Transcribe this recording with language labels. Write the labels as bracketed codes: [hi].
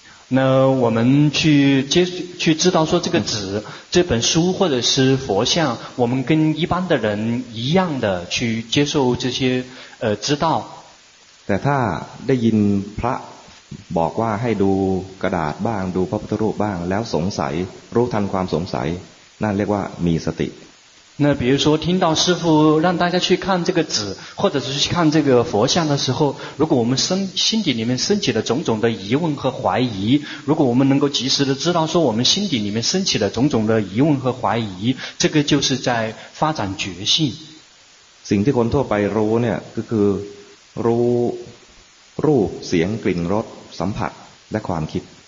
[zh] 那我们去知道说这个纸这本书或者是佛像我们跟一般的人一样的去接受这些知道 [th] แต่ถ้าได้ยินพระบอกว่าให้ดูกระดาษบ้างดูพระพุทธรูปบ้างแล้วสงสัยรู้ทันความสงสัยนั่นเรียกว่ามีสติ [zh] 那比如说听到师父让大家去看这个纸或者是去看这个佛像的时候如果我们心底里面升起了种种的疑问和怀疑如果我们能够及时的知道说我们心底里面升起了种种的疑问和怀疑这个就是在发展觉性 [th] สิ่งที่คนทั่วไปรู้เนี่ยก็คือรู้รูปเสียงกลิ่นรสสัมผัสและความคิด